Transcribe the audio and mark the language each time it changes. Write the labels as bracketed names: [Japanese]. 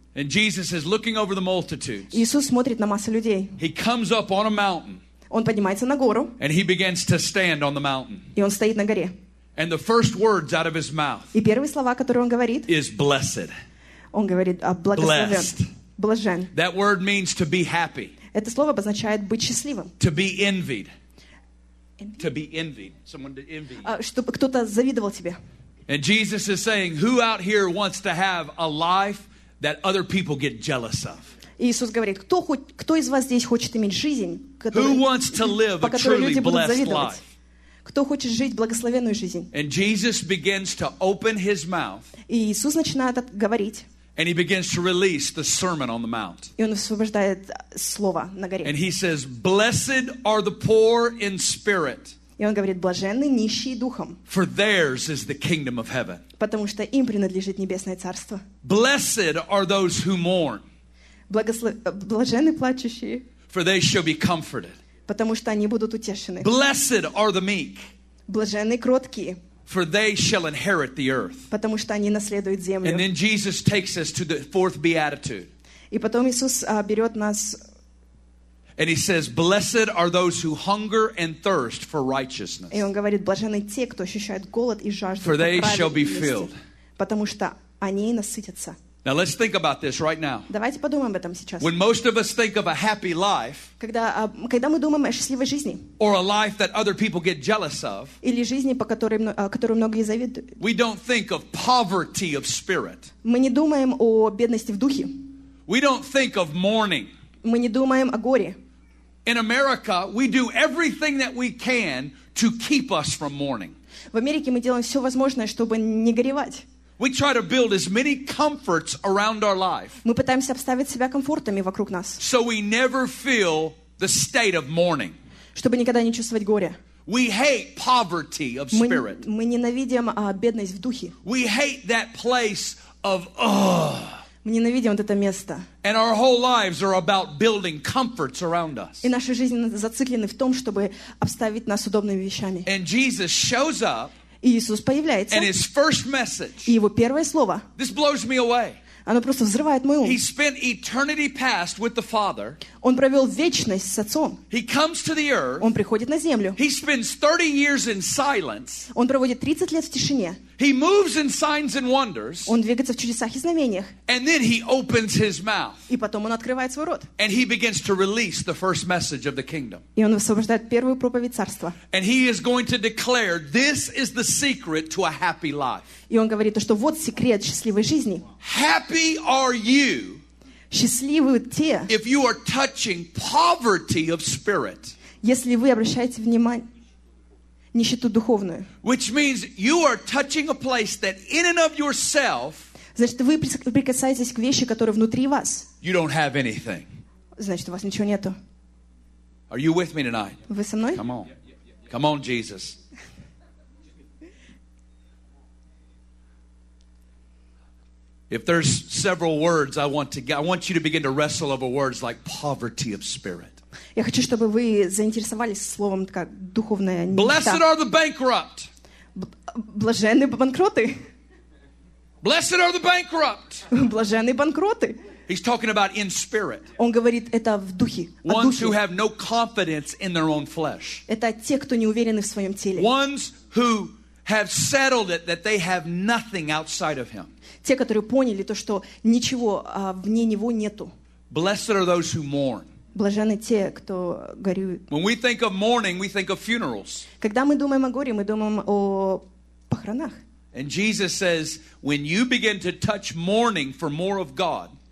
[English] And Jesus is looking over the multitudes. [Russian] Иисус смотрит на массу людей. [English] He comes up on a mountain. [Russian] Он поднимается на гору. [English] And he begins to stand on the mountain. [Russian] И он стоит на горе. [English] And the first words out of his mouth. [Russian] И первые слова, которые он говорит. [English] Is blessed. [Russian] Он говорит, благословен. Блажен. [English] That word means to be happy. [Russian] Это слово обозначает быть счастливым. [English] To be envied. Envy? To be envied. Someone to envy. [Russian] Чтобы кто-то завидовал тебе. [English] And Jesus is saying, who out here wants to have a life that other people get jealous of? [Russian] Иисус говорит, кто из вас здесь хочет иметь жизнь, [English] who wants to live [Russian] по которой люди будут завидовать? Кто хочет жить благословенную жизнь? [English] And Jesus begins to open his mouth. [Russian] И Иисус начинает говорить. [English] And he begins to release the Sermon on the Mount. [Russian] И он освобождает слово на горе. [English] And he says, "Blessed are the poor in spirit." [Russian] И он говорит, блаженны нищие духом. [English] For theirs is the kingdom of heaven. [Russian] Потому что им принадлежит небесное царство. [English] Blessed are those who mourn. [Russian] Блаженны плачущие. [English] For they shall be comforted. [Russian] Потому что они будут утешены. [English] Blessed are the meek. [Russian] Блаженны кроткие. [English] For they shall inherit the earth. [Russian] Потому что они наследуют землю. [English] And then Jesus takes us to the fourth beatitude. [Russian] И потом Иисус берет нас. [English] And he says, "Blessed are those who hunger and thirst for righteousness." [Russian] И он говорит, блаженны те, кто ощущает голод и жажду. [English] For they shall be filled. [Russian] Потому что они насытятся. [English] Now let's think about this right now. [Russian] Давайте подумаем об этом сейчас. [English] When most of us think of a happy life, [Russian] когда мы думаем о счастливой жизни, [English] or a life that other people get jealous of, [Russian] или жизни, по которой многие завидуют, [English] we don't think of poverty of spirit. [Russian] Мы не думаем о бедности в духе. [English] We don't think of mourning. [Russian] Мы не думаем о горе. [English] In America, we do everything that we can to keep us from mourning. [Russian] В Америке мы делаем все возможное, чтобы не горевать. [English] We try to build as many comforts around our life. [Russian] Мы пытаемся обставить себя комфортами вокруг нас. [English] So we never feel the state of mourning. [Russian] Чтобы никогда не чувствовать горя. [English] We hate poverty of spirit. [Russian] Мы ненавидим бедность в духе. [English] We hate that place of ugh. [Russian] Мы ненавидим вот это место. [English] And our whole lives are about building comforts around us. [Russian] И наша жизнь зациклена в том, чтобы обставить нас удобными вещами. [English] And Jesus shows up. [Russian] Иисус появляется. [English] And his first message, [Russian] и его первое слово. [English] This blows me away. [Russian] Оно просто взрывает мой ум. [English] He spent eternity past with the Father. [Russian] Он провел вечность с Отцом. [English] He comes to the earth. [Russian] Он приходит на землю. [English] He spends 30 years in silence. [Russian] Он проводит 30 лет в тишине. [English] He moves in signs and wonders. [Russian] Он двигается в чудесах и знамениях. [English] And then he opens his mouth. [Russian] И потом он открывает свой рот. [English] And he begins to release the first message of the kingdom. [Russian] И он высвобождает первую проповедь царства. [English] And he is going to declare, this is the secret to a happy life. [Russian] И он говорит, что вот секрет счастливой жизни. [English] Happy are you. [Russian] Счастливы те. [English] If you are touching poverty of spirit. [Russian] Если вы обращаете внимание. Нищету духовную. [English] Which means you are touching a place that in and of yourself. [Russian] Значит, вы прикасаетесь к вещи, которые внутри вас. [English] You don't have anything. [Russian] Значит, у вас ничего нету. [English] Are you with me tonight? [Russian] Вы со мной? [English] Come on. Come on, Jesus. If there's several words I want you to begin to wrestle over words like poverty of spirit. [Russian] Я хочу, чтобы вы заинтересовались словом как духовная нищета. [English] Blessed are the bankrupt. [Russian] Блаженны банкроты. [English] Blessed are the bankrupt. [Russian] Блаженны банкроты. [English] He's talking about in spirit. [Russian] Он говорит это в духе. [English] Ones who have no confidence in their own flesh. [Russian] Это те, кто не уверены в своем теле. [English] Ones who have settled it that they have nothing outside of Him. [Russian] Те, которые поняли то, что ничего вне него нету. [English] Blessed are those who mourn. [Russian] Блаженны те, кто горюют. [English] When we think of mourning, we think of funerals. [Russian] Когда мы думаем о горе, мы думаем о похоронах. [English] And Jesus says, when you begin to touch mourning for more of God.